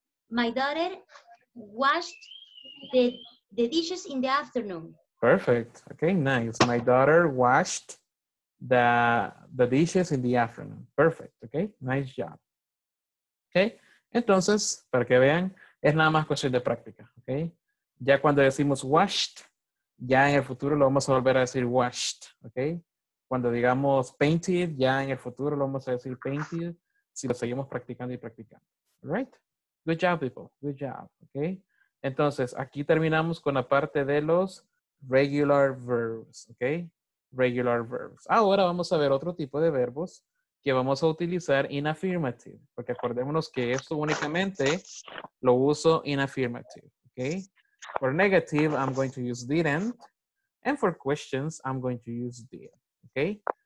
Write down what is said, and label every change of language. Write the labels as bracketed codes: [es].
[en] My daughter washed the dishes in the afternoon. Perfect. Okay, nice. My daughter washed the dishes in the afternoon. Perfect. Okay, nice job. [es] Okay, entonces, para que vean, es nada más cuestión de práctica. Okay, ya cuando decimos washed, ya en el futuro lo vamos a volver a decir washed, ¿ok? Cuando digamos painted, ya en el futuro lo vamos a decir painted, si lo seguimos practicando y practicando, ¿right? [en] Good job, people. Good job, [es] ¿ok? Entonces, aquí terminamos con la parte de los [en] regular verbs, ¿ok? Regular verbs. [es] Ahora vamos a ver otro tipo de verbos que vamos a utilizar [en] in affirmative, [es] porque acordémonos que esto únicamente lo uso in affirmative, ¿ok? [en] For negative, I'm going to use didn't, and for questions, I'm going to use did, ¿ok?